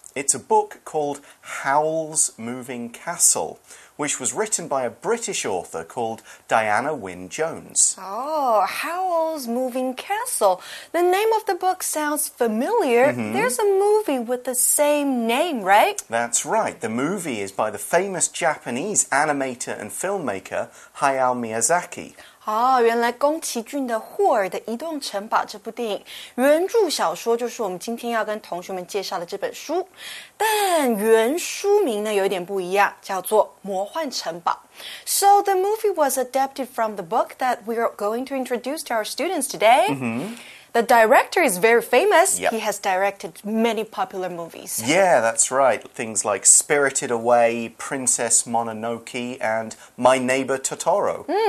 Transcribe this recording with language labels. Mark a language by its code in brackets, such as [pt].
[en] It's a book called Howl's Moving Castle, which was written by a British author called Diana Wynne Jones. Oh, Howl's Moving Castle. The name of the book sounds familiar. Mm-hmm. There's a movie with the same name, right? That's right. The movie is by the famous Japanese animator and filmmaker Hayao Miyazaki. [zh] 哦，原来宫崎骏的《霍尔的移动城堡》这部电影原著小说就是我们今天要跟同学们介绍的这本书，但原书名呢有点不一样，叫做《魔幻城堡》。 [en] So the movie was adapted from the book that we are going to introduce to our students today. Mm-hmm. The director is very famous. Yep. He has directed many popular movies. Yeah, that's right. Things like Spirited Away, Princess Mononoke, and My Neighbor Totoro.